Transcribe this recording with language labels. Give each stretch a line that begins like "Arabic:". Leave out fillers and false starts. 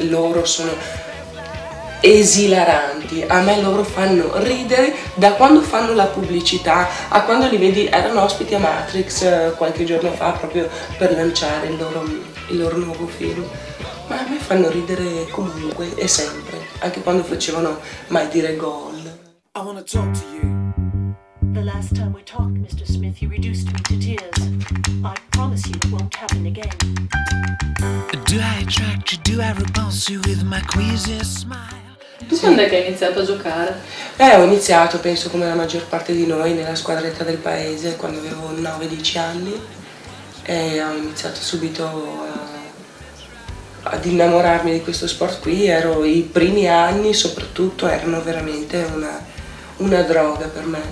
Italian: Loro sono esilaranti, a me loro fanno ridere da quando fanno la pubblicità a quando li vedi. Erano ospiti a Matrix qualche giorno fa, proprio per lanciare il loro nuovo film. Ma a me fanno ridere comunque e sempre, anche quando facevano Mai dire gol.
English: I wanna talk to you. The last time we talked, Mr. Smith, you reduced me to tears. I promise you it won't happen again. Do I attract you? Do I repulse you with my queasy smile?
Italian: Tu sì. Quando è che hai iniziato a giocare? Ho iniziato, penso come la maggior parte di noi, nella squadretta del paese, quando avevo 9-10 anni. E ho iniziato subito ad innamorarmi di questo sport qui. Ero i primi anni, soprattutto, erano veramente una droga per me.